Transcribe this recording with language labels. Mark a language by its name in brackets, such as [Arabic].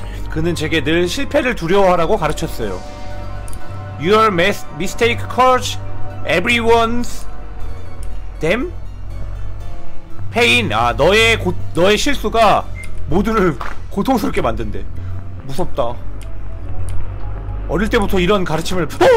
[Korean] 그는 제게 늘 실패를 두려워하라고 가르쳤어요. [English] Your mistake cause everyone's damn pain. [Korean] 아, 너의 실수가 모두를 고통스럽게 만든대. 무섭다. 어릴 때부터 이런 가르침을.